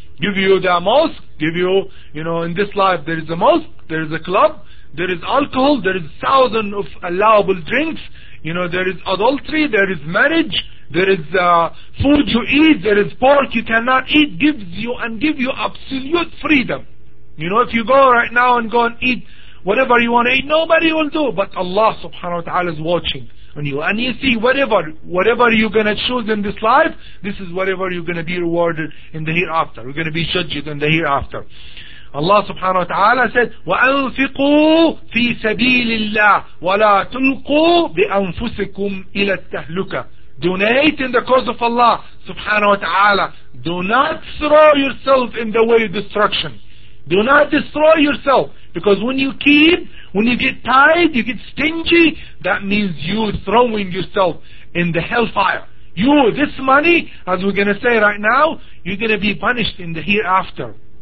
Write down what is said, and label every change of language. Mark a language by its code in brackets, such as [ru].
[en] Give you the mosque, give you, you know, in this life there is a mosque, there is a club, there is alcohol, there is thousands of allowable drinks, you know, there is adultery, there is marriage, there is food you eat, there is pork you cannot eat, gives you absolute freedom. You know, if you go right now and go and eat whatever you want to eat, nobody will do. But Allah subhanahu wa ta'ala is watching on you. And you see, whatever you're going to choose in this life, this is whatever you're going to be rewarded in the hereafter. You're going to be judged in the hereafter. Allah subhanahu wa ta'ala said, [ar] وَأَنْفِقُوا فِي سَبِيلِ اللَّهِ وَلَا تُلْقُوا بِأَنفُسِكُمْ إِلَى التَّهْلُكَةِ. [en] Donate in the cause of Allah subhanahu wa ta'ala. Do not throw yourself in the way of destruction. Do not destroy yourself. Because when you keep, when you get tired, you get stingy, that means you throwing yourself in the hellfire. You, this money, as we're going to say right now, you're going to be punished in the hereafter.